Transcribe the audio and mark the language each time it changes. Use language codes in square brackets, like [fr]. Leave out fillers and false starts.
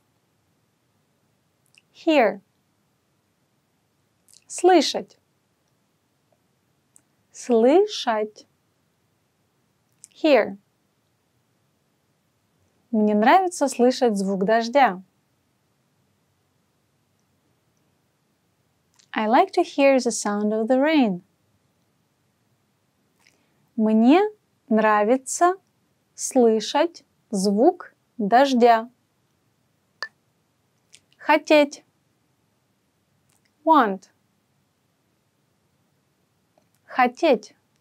[ru] Слышать. Hear. Слышать. Слышать. Hear. Мне нравится слышать звук дождя. [en] I like to hear the sound of the rain. [ru] Мне нравится слышать звук дождя. Хотеть. [en] Want. [ru] Хотеть.